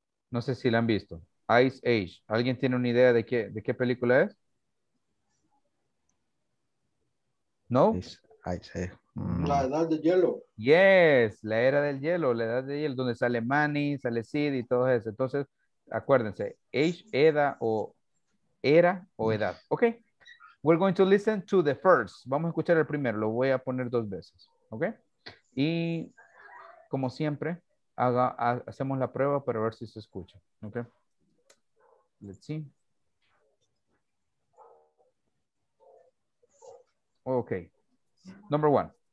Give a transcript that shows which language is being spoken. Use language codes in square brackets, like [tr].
[es] No sé si la han visto. Ice Age. ¿Alguien tiene una idea de qué película es? ¿No? [en] Ice Age. [es] La edad del hielo. Yes, la era del hielo, la edad del hielo, donde sale Manny, sale Sid y todo eso. Entonces, acuérdense, age, edad o era o edad. [en] Ok, we're going to listen to the first. [es] Vamos a escuchar el primero, lo voy a poner dos veces. Ok, y como siempre, hacemos la prueba para ver si se escucha. [en] Ok, let's see. Ok, number one.